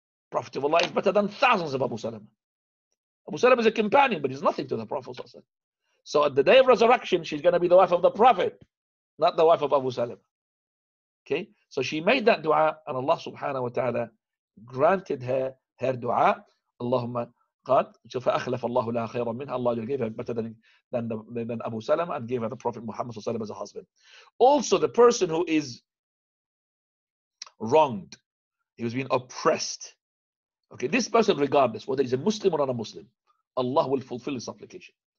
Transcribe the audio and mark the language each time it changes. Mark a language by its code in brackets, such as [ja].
[en] Prophet of Allah is better than thousands of Abu Salama. Abu Salama is a companion, but he's nothing to the Prophet sallallahu alaihi wasallam. So at the day of resurrection, she's going to be the wife of the Prophet, not the wife of Abu Salama. Okay, so she made that dua, and Allah subhanahu wa ta'ala granted her dua. [ar] Allahumma فأخلف الله لها خيرا منها. [en] Allah gave her better than Abu Salam, and gave her the Prophet Muhammad as a husband. Also, the person who is wronged, he was being oppressed. Okay, this person, regardless whether he's a Muslim or not a Muslim, Allah will fulfill his supplication.